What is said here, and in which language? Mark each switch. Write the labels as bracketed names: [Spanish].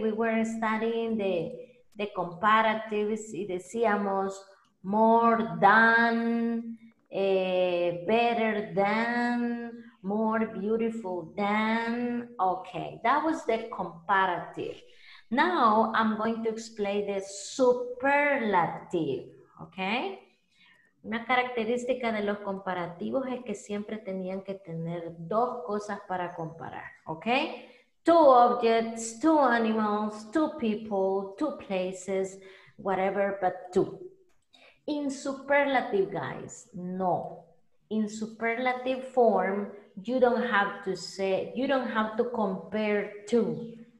[English] We were studying the comparatives [Spanish] y decíamos [English] more than, better than, more beautiful than. Okay, that was the comparative. Now I'm going to explain the superlative, okay? [Spanish] Una característica de los comparativos es que siempre tenían que tener dos cosas para comparar, okay? [English] Two objects, two animals, two people, two places, whatever, but two. In superlative, guys, no. In superlative form, you don't have to say, you don't have to compare two.